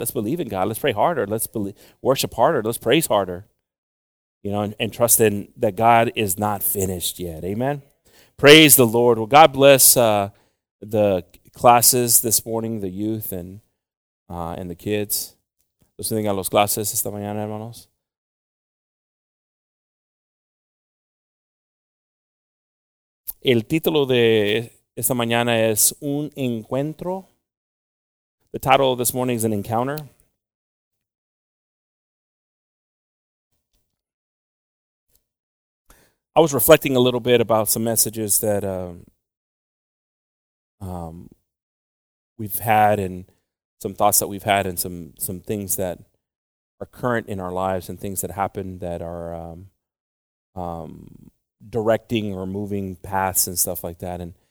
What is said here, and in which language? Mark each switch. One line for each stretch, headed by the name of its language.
English: Let's believe in God. Let's pray harder. Let's worship harder. Let's praise harder. You know, and trust in that God is not finished yet. Amen. Praise the Lord. Well, God bless the classes this morning, the youth and the kids.
Spanish: los que tengan las clases esta mañana, hermanos. El título de esta mañana es Un Encuentro.
English: The title of this morning is An Encounter. I was reflecting a little bit about some messages that we've had and some thoughts that we've had and some things that are current in our lives and things that happen that are directing or moving paths and stuff like that.